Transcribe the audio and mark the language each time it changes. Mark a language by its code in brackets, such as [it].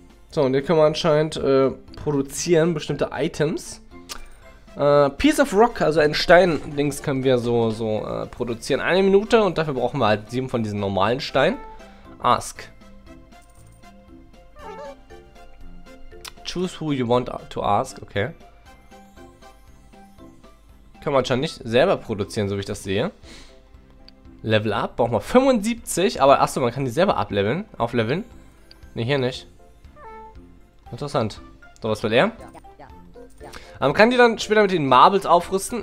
[de] So, und hier können wir anscheinend produzieren bestimmte Items. Piece of Rock, also ein Stein, links können wir so produzieren. Eine Minute und dafür brauchen wir halt 7 von diesen normalen Steinen. [en] Ask. Choose who you want to ask, okay. [de] Können wir schon nicht selber produzieren, so wie ich das sehe. Level up, brauchen wir 75, aber achso, man kann die selber ableveln, aufleveln. Ne, hier nicht. Interessant. So, was will er? Man kann die dann später mit den Marbles aufrüsten.